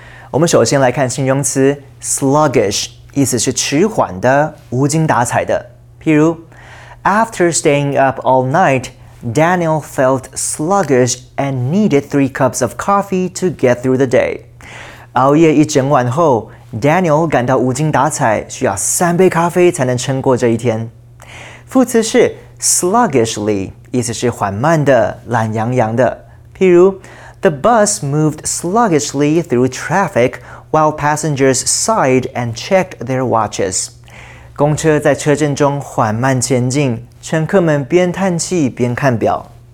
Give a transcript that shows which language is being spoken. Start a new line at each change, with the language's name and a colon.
Chinese: 我们首先来看形容词 sluggish， 意思是迟缓的、无精打采的。譬如
English: ，After staying up all night, Daniel felt sluggish and needed 3 cups of coffee to get through the day.
Chinese: 熬夜一整晚后 ，Daniel 感到无精打采，需要三杯咖啡才能撑过这一天。副词是 sluggishly， 意思是缓慢的、懒洋洋的。譬如
English: ，The bus moved sluggishly through traffic while passengers sighed and checked their watches.
Chinese: 公车在车阵中缓慢前进，乘客们边叹气边看表。